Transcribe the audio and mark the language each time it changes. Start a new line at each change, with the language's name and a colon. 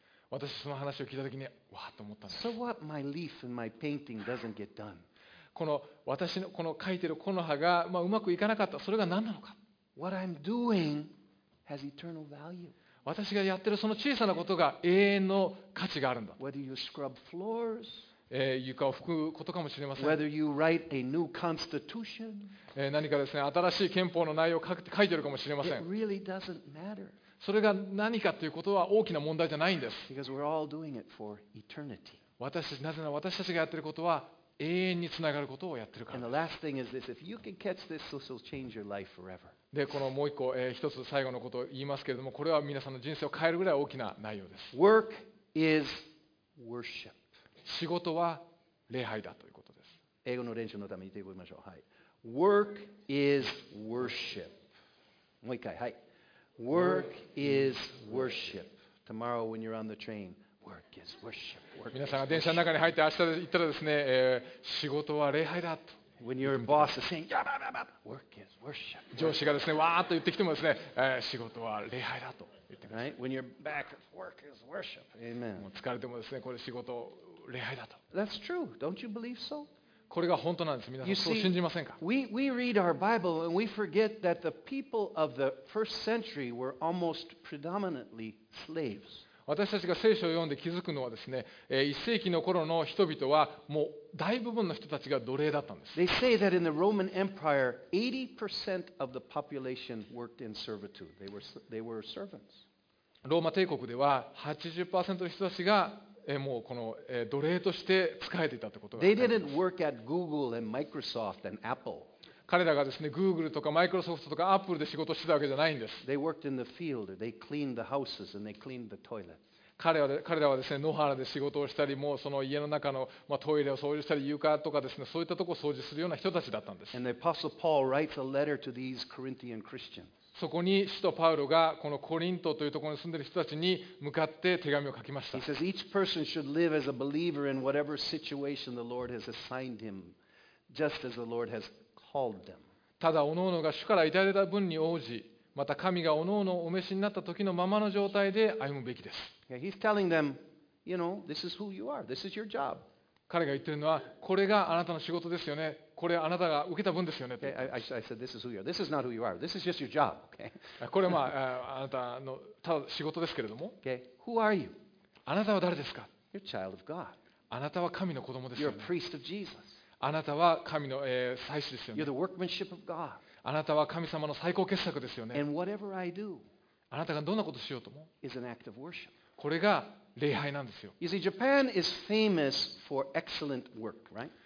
Japanese: 私その話を聞いたときに、わーっと思ったんです。
English: So what? My leaf and my painting doesn't get done.
Japanese: この私のこの描いてる木の葉が、まあ、うまくいかなかった。それが何なのか。
English: What I'm doing has eternal value.
Japanese: 私がやってるその小さなことが永遠の価値があるんだ。
English: Whether you scrub floors.
Japanese: 床を拭くことかもしれません。
English: Whether you write a new constitution,
Japanese: 何かですね、新しい憲法の内容を書いているかもしれません。
English: It really doesn't matter.
Japanese: それが何かということは大きな問題じゃないんです。
English: Because we're all doing it for eternity.
Japanese: なぜなら私たちがやっていることは永遠につながることをやっているから。
English: And the last thing is this: if you can catch this, this will change your life forever.
Japanese: で、このもう一個、一つ最後のことを言いますけれども、これは皆さんの人生を変えるぐらい大きな内容です。
English: Work is worship.
Japanese: 仕事は礼拝だということです。英語の練習のために言ってみましょう。はい。
English: Work is worship.
Japanese: もう一回。はい。
English: Work is worship. Tomorrow when you're on the train, work is worship.
Japanese: 皆さんが電車の中に入って明日行ったらですね、仕事は礼拝だと。
English: When your boss is saying, yeah, yeah, yeah, work is worship.
Japanese: 上司がですね、わーっと言ってきてもですね、仕事は礼拝だと。
English: Right? When you're back, work is worship. Amen.
Japanese: もう疲れてもですね、これ仕事礼拝だと。
English: That's true. Don't you believe so?
Japanese: これが本当なんです。皆さん、そう信じませんか?
English: We read our Bible and we forget that the people of the first century were almost predominantly slaves.
Japanese: 私たちが聖書を読んで気づくのはですね、1世紀の頃の人々はもう大部分の人たちが奴隷だったんです。
English: They say that in the Roman Empire, 80% of the population worked in servitude. They were servants.
Japanese: ローマ帝国では 80% の人たちがもうこの奴隷として使えていたということが
English: They didn't work at Google and Microsoft and Apple.
Japanese: 彼らがですね、Google とか Microsoft とか Apple で仕事してたわけじゃないんです。
English: They worked in the field. They cleaned the houses and they cleaned the toilets.
Japanese: 彼らはですね、野原で仕事をしたり、もうその家の中の、まあ、トイレを掃除したり、床とかですね、そういったところを掃除するような人たちだったんです。
English: And the Apostle Paul writes a letter to these Corinthian Christians.
Japanese: そこに使徒パウロがこのコリントというところに住んでいる人たちに向かって手紙を書きました。
English: He says each person should live as a believer in whatever situation the Lord has assigned him, just as the Lord has called them.
Japanese: ただ各々が主からいただいた分に応じ、また神が各々お召しになった時のままの状態で歩むべきです。
English: Yeah, he's telling them, you know, this is who you are. This is your job.
Japanese: 彼が言っているのは、これがあなたの仕事ですよね。これはあなたが受けた分ですよね。
English: Okay, I said, this is who you are. This is not who you are. This is just your job. Okay.
Japanese: これはまあ、あなたのただ仕事ですけれども。
English: Okay. Who are you?
Japanese: あなたは誰ですか?
English: You're a child of God.
Japanese: あなたは神の子供ですよね。
English: You're a priest of Jesus.
Japanese: あなたは神の、祭司ですよね。
English: You're the workmanship of God.
Japanese: あなたは神様の最高傑作ですよね。
English: And whatever I do,
Japanese: あなたがどんなことをしようとも、
English: is an act of worship.
Japanese: これが礼拝なんですよ。
English: You see, Japan is famous for excellent work, right?